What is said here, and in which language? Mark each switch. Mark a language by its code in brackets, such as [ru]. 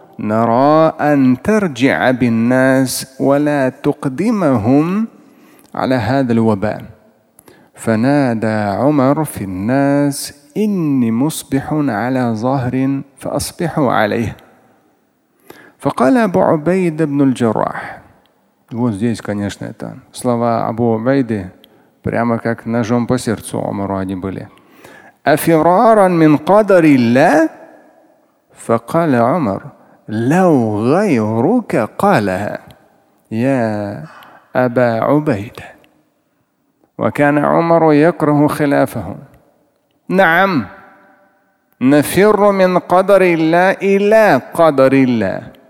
[ar] نرى أن ترجع بالناس ولا تقدمهم على هذا الوباء. فنادى عمر في الناس إني مصبح على ظهر فأصبحوا عليه. فقال أبو عبيد بن الجراح. [ru] Вот здесь, конечно, это слова Абу Убайды прямо как ножом по сердцу Умару они были. [ar] أفرارا من قدر الله. فقال عمر لو غيرك قالها يا أبا عبيد. وكان عمر يكره خلافه. نعم نفر من قدر الله إلى قدر الله.